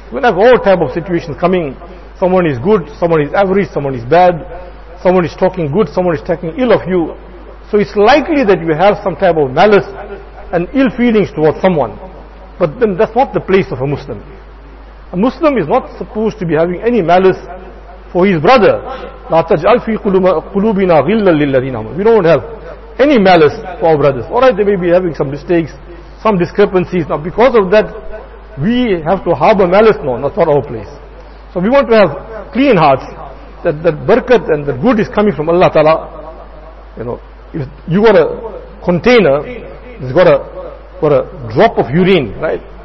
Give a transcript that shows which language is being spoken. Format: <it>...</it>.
<en>We have all type of situations coming. Someone is good, someone is average, someone is bad, someone is talking good, someone is talking ill of you. So it's likely that you have some type of malice and ill feelings towards someone. But then that's not the place of a Muslim. A Muslim is not supposed to be having any malice for his brother.</en> <ar>لا تجعل في قلوبنا غلا للذين آمنوا.</ar> <en>We don't have any malice for our brothers. Alright, they may be having some mistakes, some discrepancies. Now because of that, we have to harbor malice. No, that's not our place. So we want to have clean hearts, that barakat and the good is coming from Allah Ta'ala. You know, if you got a container, it's got a drop of urine, right?</en>